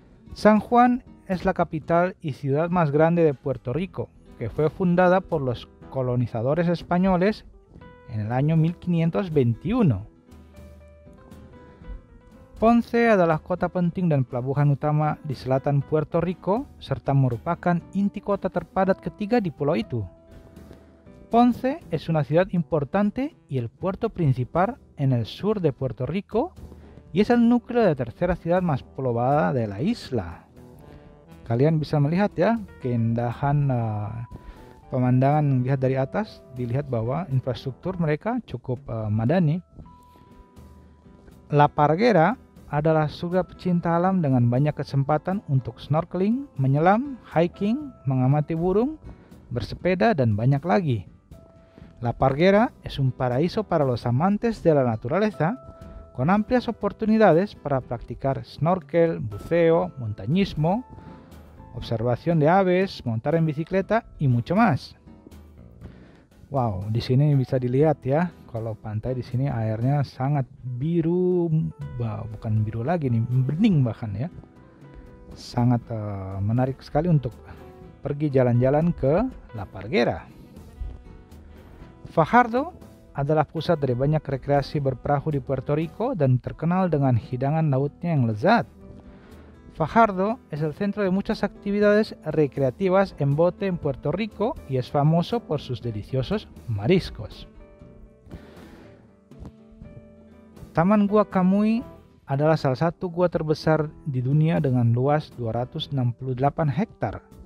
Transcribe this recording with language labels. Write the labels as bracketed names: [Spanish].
[Spanish] San Juan es la capital y ciudad más grande de Puerto Rico, que fue fundada por los colonizadores españoles en el año 1521. [Indonesian] Ponce adalah kota penting dan pelabuhan utama di selatan Puerto Rico, serta merupakan inti kota terpadat ketiga di pulau itu. [Spanish] Ponce es una ciudad importante y el puerto principal en el sur de Puerto Rico y es el núcleo de la tercera ciudad más poblada de la isla. [Indonesian] Kalian bisa melihat ya keindahan pemandangan dilihat dari atas, dilihat bahwa infrastruktur mereka cukup madani. La Parguera adalah surga pecinta alam dengan banyak kesempatan untuk snorkeling, menyelam, hiking, mengamati burung, bersepeda, dan banyak lagi. [Spanish] La Parguera es un paraíso para los amantes de la naturaleza con amplias oportunidades para practicar snorkel, buceo, montañismo, observación de aves, montar en bicicleta y mucho más. [Indonesian] Wow, di sini bisa dilihat ya, kalau pantai di sini airnya sangat biru, bukan biru lagi nih, bening bahkan ya. Sangat menarik sekali untuk pergi jalan-jalan ke La Parguera. Fajardo adalah pusat dari banyak rekreasi berperahu di Puerto Rico dan terkenal dengan hidangan lautnya yang lezat. [Spanish] Fajardo es el centro de muchas actividades recreativas en bote en Puerto Rico y es famoso por sus deliciosos mariscos. [Indonesian] Taman Gua Camuy adalah salah satu gua terbesar di dunia dengan luas 268 hektar.